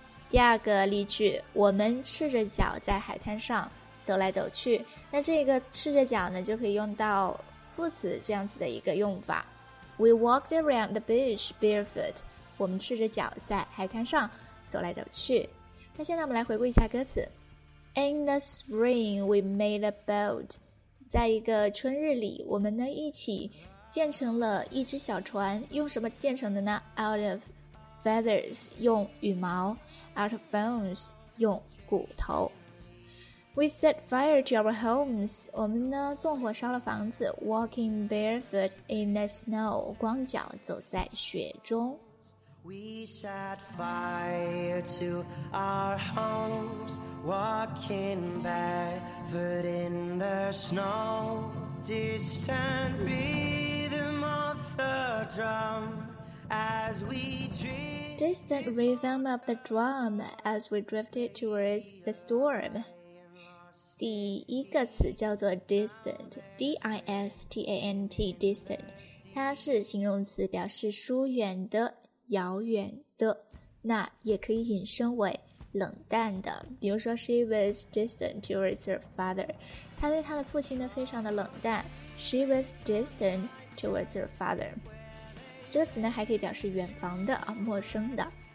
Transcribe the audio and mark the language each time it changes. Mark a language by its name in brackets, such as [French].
[Chinese] 第二个例句，我们赤着脚在海滩上走来走去，那这个赤着脚呢就可以用到副词这样子的一个用法， [English] We walked around the beach barefoot， [Chinese] 我们赤着脚在海滩上走来走去。那现在我们来回顾一下歌词。 [English] In the spring we made a boat， [Chinese] 在一个春日里我们呢一起建成了一只小船，用什么建成的呢？ [English] Out of feathers， [Chinese] 用羽毛， [English] Out of bones， [Chinese] 用骨头。 [English] We set fire to our homes， [Chinese] 我们呢纵火烧了房子， [English] Walking barefoot in the snow， [Chinese] 光脚走在雪中。 [English] We set fire to our homes, walking barefoot in the snow. Distant rhythm of the drum as we drifted. Distant rhythm of the drum as we drifted towards the storm. [Chinese] 第一个词叫做 distant, D-I-S-T-A-N-T, distant. 它是形容词，表示疏远的。遥远的，那也可以引申为冷淡的，比如说 [English] She was distant towards her father， [Chinese] 她对她的父亲呢非常的冷淡， She was distant towards her father， 这个词呢还可以表示远方的啊，陌生的。